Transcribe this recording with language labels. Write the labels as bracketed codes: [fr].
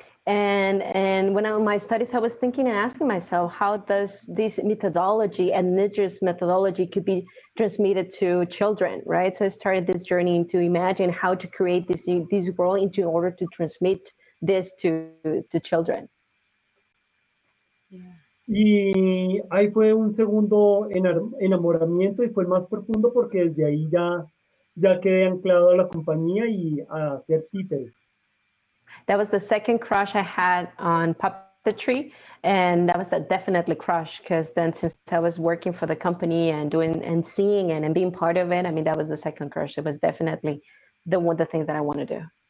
[en] And when I was in my studies, I was thinking and asking myself, how does this methodology and Nidra's methodology could be transmitted to children, right? So I started this journey to imagine how to create this world into order to transmit this to children. [es] Yeah. Y ahí fue un segundo enamoramiento y fue el más profundo porque desde ahí ya quedé anclado a la compañía y a hacer títeres. [en] That was the second crush I had on puppetry, and that was a definitely crush because then since I was working for the company and doing and seeing it and being part of it, I mean, that was the second crush. It was definitely the thing that I want to do.